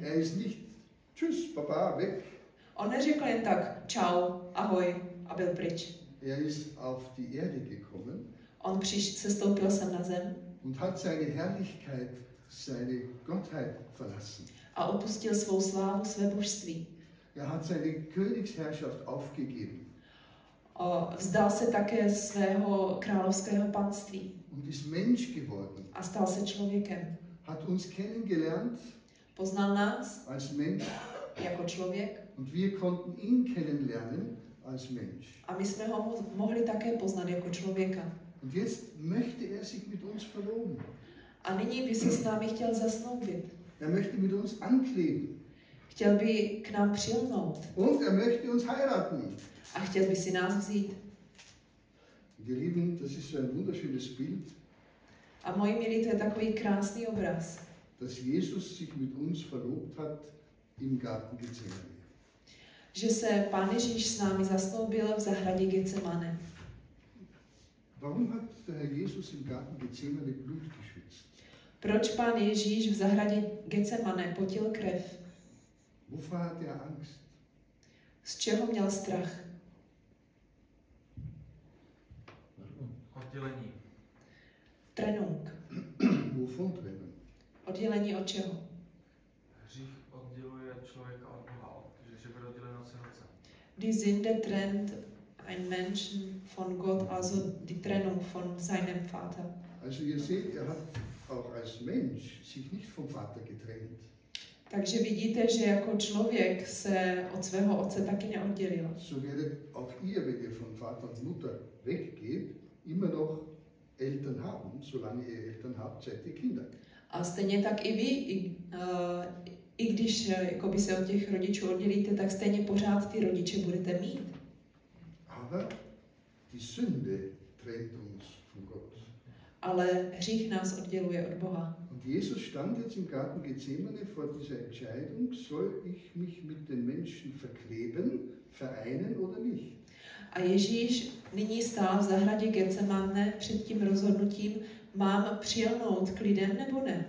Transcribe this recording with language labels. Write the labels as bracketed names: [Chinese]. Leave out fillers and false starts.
[German] Er ist nicht, tschüss, papa, weg. [Czech] On neřekl jen tak, čau, ahoj, a byl pryč. [German] Er ist auf die Erde gekommen. [Czech] On sestoupil sem na zem. [German] Und hat seine Herrlichkeit, seine Gottheit verlassen. [Czech] A opustil svou slávu, své božství. [German] Er hat seine Königsherrschaft aufgegeben. [Czech] A vzdal se také svého královského panství. [German] Und ist Mensch geworden. [Czech] A stal se člověkem. [German] Hat uns kennengelernt. [Czech] Poznal nás. [German] Als Mensch. [Czech] Jako člověk. [German] Und wir konnten ihn kennenlernen als Mensch. [Czech] A my jsme ho mohli také poznat jako člověka. [German] Und jetzt möchte er sich mit uns verloben. [Czech] A nyní by se s námi chtěl zasnoubit. [German] Er möchte mit uns ankleben. [Czech] Chtěl by k nám přilnout. [German] Und er möchte uns heiraten. [Czech] A chtěl by si nás vzít. [German] Ihr Lieben, das ist so ein wunderschönes Bild. [Czech] A moji milí, to je takový krásný obraz. [German] Dass Jesus sich mit uns verlobt hat im Garten Getsemane. [Czech] Že se Pán Ježíš s námi zasnoubil v zahradě Getsemane. [German] Warum hat der Herr Jesus im Garten Getsemane Blut geschwitzt? [Czech] Proč Pán Ježíš v zahradě Getsemane potil krev? [German] Wovor hat er Angst? [Czech] Z čeho měl strach? Oddělení. [German] Trennung. Wovon trennung? [Czech] Oddělení od čeho? Hřích odděluje člověka od Boha, že bude oddělen od srdce. [German] Die Sünde trennt ein Menschen von Gott, also die Trennung von seinem Vater. Also ihr seht, er hat auch als Mensch sich nicht vom Vater getrennt. [Czech] Takže vidíte, že jako člověk se od svého otce taky neoddělil. [German] So werdet auch ihr, wenn ihr von Vater und Mutter weggeht, immer noch Eltern haben, solange ihr Eltern habt, seid ihr Kinder. [Czech] A stejně tak i vy, i když jakoby se od těch rodičů oddělíte, tak stejně pořád ty rodiče budete mít. [German] Aber die Sünde trennt uns von Gott. [Czech] Ale hřích nás odděluje od Boha. [German] Und Jesus stand jetzt im Garten Gethsemane vor dieser Entscheidung, soll ich mich mit den Menschen verkleben, vereinen oder nicht? [Czech] A Ježíš nyní stál v zahradě Getsemane před tím rozhodnutím, mám přilnout k lidem nebo ne?